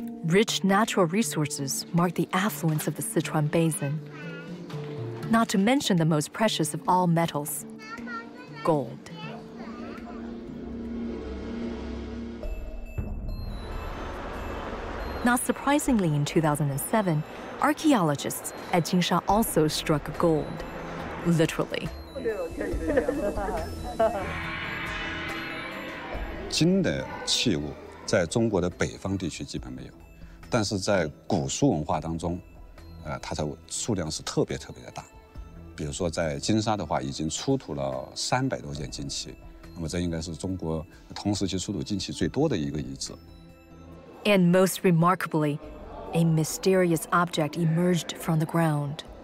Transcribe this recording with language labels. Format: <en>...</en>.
<en>Rich natural resources mark the affluence of the Sichuan Basin, not to mention the most precious of all metals, gold. Not surprisingly, in 2007, archaeologists at Jinsha also struck gold, literally.</en> <zh>金的器物在中国的北方地区基本没有，但是在古蜀文化当中，它的数量是特别特别的大。比如说在金沙的话，已经出土了300多件金器，那么这应该是中国同时期出土金器最多的一个遗址。</zh> <en>And most remarkably, a mysterious object emerged from the ground.</en>